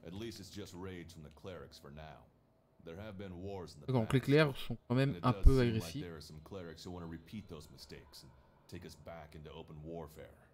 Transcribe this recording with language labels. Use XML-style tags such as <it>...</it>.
<en>At least it's just raids from the clerics for now. There have been wars in the past.</en> <fr>Donc les clercs sont quand même un peu agressifs.</fr> <en>Like there are some clerics who want to repeat those mistakes and take us back into open warfare.</en>